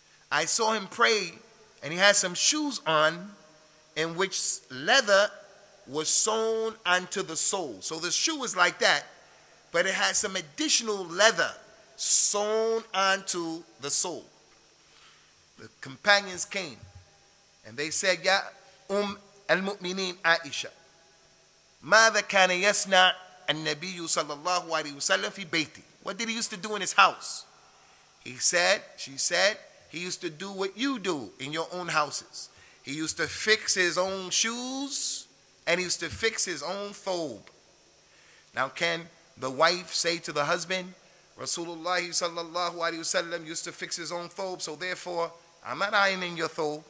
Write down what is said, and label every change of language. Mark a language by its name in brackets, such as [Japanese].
[English] I saw him pray and he had some shoes on in which leather was sewn onto the soles. So the shoe was like that, but it had some additional leather sewn onto the sole. The companions came and they said, Ya al-mu'mineen Aisha, [Arabic] ماذا كان يصنع النبي صلى الله عليه وسلم في بيتي? [English] What did he used to do in his house? She said, he used to do what you do in your own houses. He used to fix his own shoes and he used to fix his own thobe. Now can the wife say to the husband, Rasulullah sallallahu alayhi wa sallam used to fix his own thobe, so therefore, I'm not ironing your thobe.